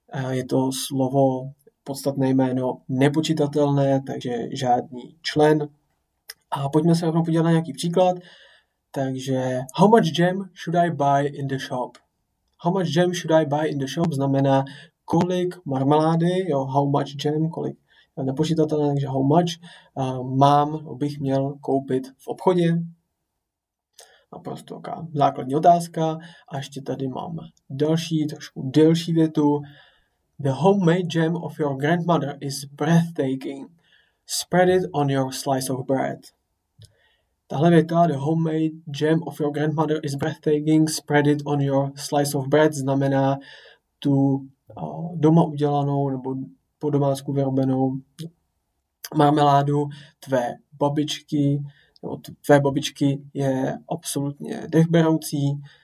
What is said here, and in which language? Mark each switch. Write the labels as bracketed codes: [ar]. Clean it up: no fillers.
[cs] Je to slovo, podstatné jméno, nepočitatelné, takže žádný člen. A pojďme se rovnou podívat na nějaký příklad. [en] Takže, how much jam should I buy in the shop? How much jam should I buy in the shop [cs] znamená, kolik marmelády, jo, [en] how much jam, [cs] kolik nepočitatelné, takže [en] how much [cs] mám, bych měl koupit v obchodě. Naprosto taková základní otázka. A ještě tady mám další, trošku delší větu. [en] The homemade jam of your grandmother is breathtaking. Spread it on your slice of bread. [cs] Tahle věta, [en] the homemade jam of your grandmother is breathtaking. Spread it on your slice of bread, [cs] znamená tu doma udělanou nebo po domácku vyrobenou marmeládu tvé babičky. Od tvé babičky je absolutně dechberoucí.